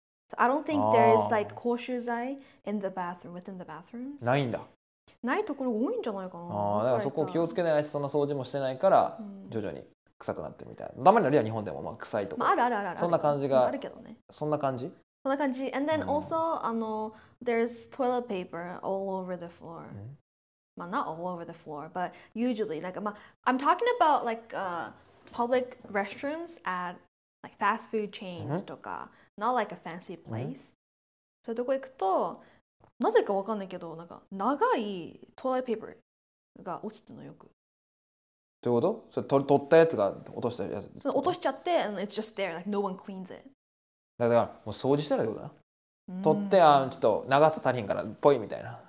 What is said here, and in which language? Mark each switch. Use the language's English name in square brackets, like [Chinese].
[English] So I don't think there's like 口臭剤 in the bathroom, within the bathrooms. [Japanese] ないんだ。ないところ多いんじゃないかな。ああ、だからそこを気をつけないし、その掃除もしてないから、徐々に臭くなってるみたいな。たまにあるよ、日本でも、まあ、臭いとか。まあ、あるあるあるある。そんな感じが。あるけどね。そんな感じそんな感じ。 [English] And then also, there's toilet paper all over the floor. Well, not all over the floor, but usually, like, I'm talking about like public restrooms at like fast food chains とか、not like a fancy place. [Japanese] そういうとこ行くと、なぜかわかんないけど、なんか長いトイレットペーパーが落ちてるのよく。どういうこと？それ取ったやつが落としたやつ。その落としちゃって、 [English] and it's just there, like no one cleans it. [Japanese] だからもう掃除してないことだな。取ってあちょっと長さ足りんからっぽいみたいな。